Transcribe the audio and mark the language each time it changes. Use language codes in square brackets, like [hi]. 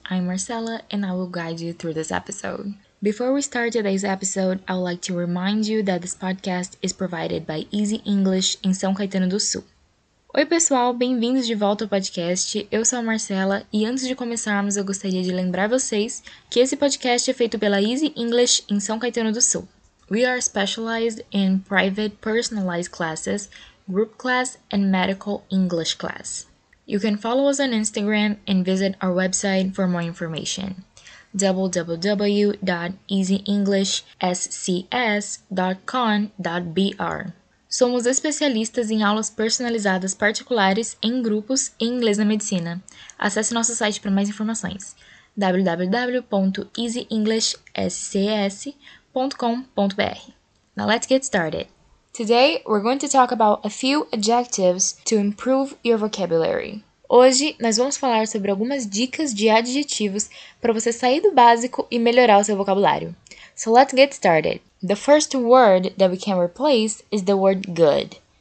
[en] I'm Marcella and I will guide you through this episode. Before we start today's episode, I would like to remind you that this podcast is provided by Easy English in São Caetano do Sul. [pt] Oi pessoal, bem-vindos de volta ao podcast. Eu sou a Marcella e antes de começarmos, eu gostaria de lembrar vocês que esse podcast é feito pela Easy English em São Caetano do Sul. [en] We are specialized in private personalized classes, group class and medical English class. You can follow us on Instagram and visit our website for more information, www.easyenglishscs.com.br. [pt] Somos especialistas em aulas personalizadas particulares em grupos em inglês na medicina. Acesse nosso site para mais informações, www.easyenglishscs.com.br. [en] Now let's get started. Today, we're going to talk about a few adjectives to improve your vocabulary. [pt] Hoje, nós vamos falar sobre algumas dicas de adjetivos para você sair do básico e melhorar o seu vocabulário. [en] So let's get started. The first word that we can replace is the word good.